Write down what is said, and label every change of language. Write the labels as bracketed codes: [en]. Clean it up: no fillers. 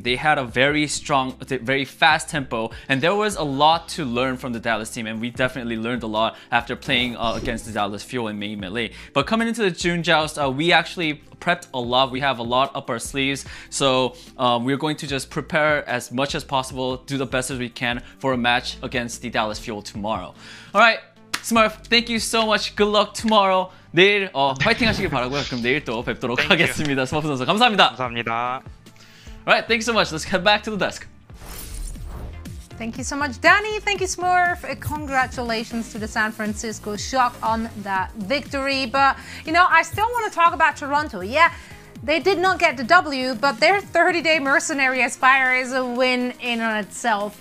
[en] They had a very strong, very fast tempo, and there was a lot to learn from the Dallas team, and we definitely learned a lot after playing against the Dallas Fury in main melee. But coming into the June Joust, we actually prepped a lot. We have a lot up our sleeves, so we're going to just prepare as much as possible, do the best as we can for a match against the Dallas Fury tomorrow. All right, Smurf, thank you so much. Good luck tomorrow. [ko] 내일 파이팅 하시길 바라고요. 그럼 내일 또 뵙도록 [en] Thank [ko] 하겠습니다. [en] You. [ko] 스머프 선수 감사합니다. 감사합니다. [en] Alright, thank you so much. Let's head back to the desk. Thank you so much, Danny. Thank you, Smurf. Congratulations to the San Francisco Shock on that victory. But, you know, I still want to talk about Toronto. Yeah, they did not get the W, but their 30-day mercenary Aspire is a win in on itself.